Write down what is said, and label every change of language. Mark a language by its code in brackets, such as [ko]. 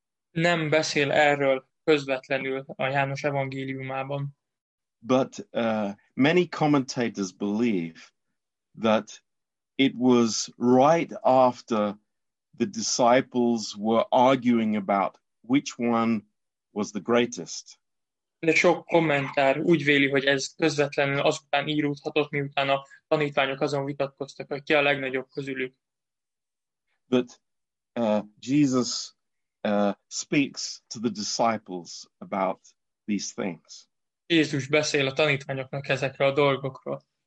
[hu] Nem beszél erről közvetlenül a János evangéliumában. [en] But many commentators believe that it was right after the disciples were arguing about which one was the greatest. [hu] De sok kommentár úgy véli, hogy ez közvetlenül azután íródhatott, miután a tanítványok azon vitatkoztak, hogy ki a legnagyobb közülük. [en] But Jesus speaks to the disciples about these things. [hu] Jézus beszél a tanítványoknak ezekről a dolgokról.